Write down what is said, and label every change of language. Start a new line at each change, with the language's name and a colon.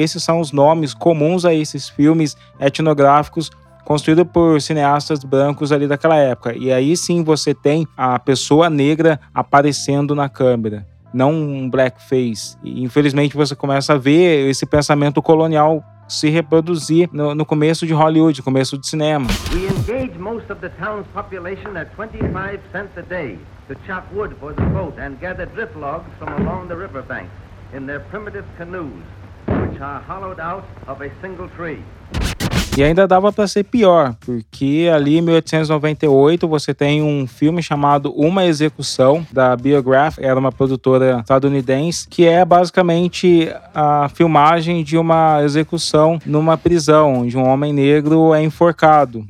Portuguese: Esses são os nomes comuns a esses filmes etnográficos construído por cineastas brancos ali daquela época. E aí sim você tem a pessoa negra aparecendo na câmera, não um blackface. E infelizmente você começa a ver esse pensamento colonial se reproduzir no começo de Hollywood, começo de cinema.
English: We engage most of the town's population at 25 cents a day to chop wood for the boat and gather drift logs from along the riverbank in their primitive canoes, which are hollowed out of a single tree.
Portuguese: E ainda dava para ser pior, porque ali em 1898 você tem um filme chamado Uma Execução, da Biograph, era uma produtora estadunidense, que é basicamente a filmagem de uma execução numa prisão, onde um homem negro é enforcado.